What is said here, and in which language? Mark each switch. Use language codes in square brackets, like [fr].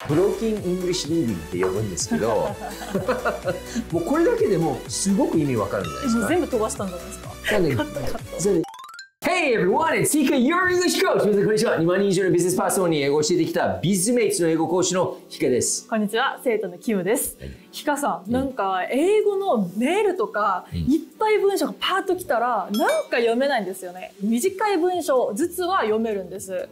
[ja] ブローキンイングリッシュリーディングって呼ぶんですけどもうこれだけでもすごく意味わかるんじゃないですか。全部飛ばしたんじゃないですか。カットカット。 [en] Hey everyone, it's Hika, your English coach! [ja] 皆さんこんにちは。2万人以上のビジネスパーソンに英語を教えてきたビズメイツの英語講師のヒカです。こんにちは、生徒のキムです。はい、ヒカさん、なんか英語のメールとか、いっぱい文章がパーッと来たら、なんか読めないんですよね。短い文章ずつは読めるんです。